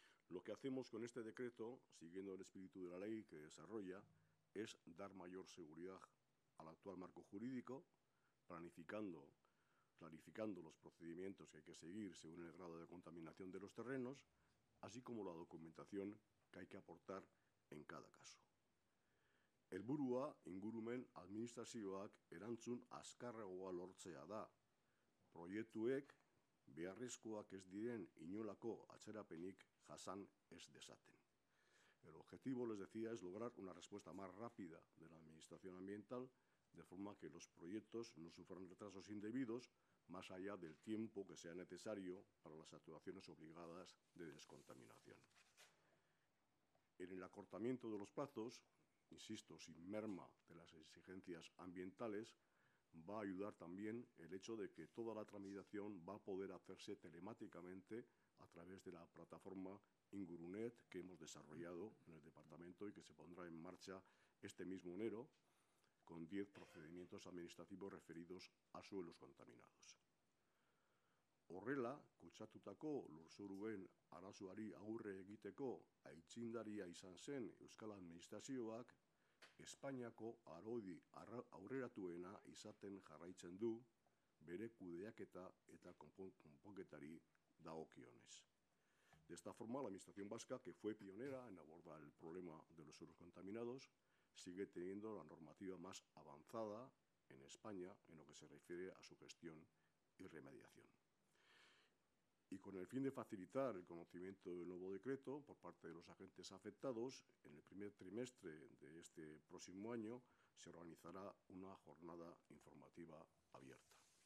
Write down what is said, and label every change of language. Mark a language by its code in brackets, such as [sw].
[es] Lo que hacemos con este decreto, siguiendo el espíritu de la ley que desarrolla, es dar mayor seguridad al actual marco jurídico, clarificando los procedimientos que hay que seguir según el grado de contaminación de los terrenos, así como la documentación que hay que aportar en cada caso. [eu] Helburua, ingurumen administrazioak erantzun azkarragoa lortzea da. Proiektuek beharrezkoak ez diren inolako atzerapenik jasan ez dezaten. [es] El objetivo, les decía, es lograr una respuesta más rápida de la Administración Ambiental, de forma que los proyectos no sufran retrasos indebidos, más allá del tiempo que sea necesario para las actuaciones obligadas de descontaminación. En el acortamiento de los plazos, insisto, sin merma de las exigencias ambientales, va a ayudar también el hecho de que toda la tramitación va a poder hacerse telemáticamente a través de la plataforma Ingurunet que hemos desarrollado en el departamento y que se pondrá en marcha este mismo enero, con 10 procedimientos administrativos referidos a suelos contaminados. [eu] Horrela, kutsatutako lurzoruen arazoari aurre egiteko aitzindaria izan zen Euskal Administrazioak, Espainiako araudi aurreratuena izaten jarraitzen du bere kudeaketa eta konponketari dagokionez. [es] De esta forma, la Administración Vasca, que fue pionera en abordar el problema de los suelos contaminados, sigue teniendo la normativa más avanzada en España en lo que se refiere a su gestión y remediación. Y con el fin de facilitar el conocimiento del nuevo decreto por parte de los agentes afectados, en el primer trimestre de este próximo año se organizará una jornada informativa abierta.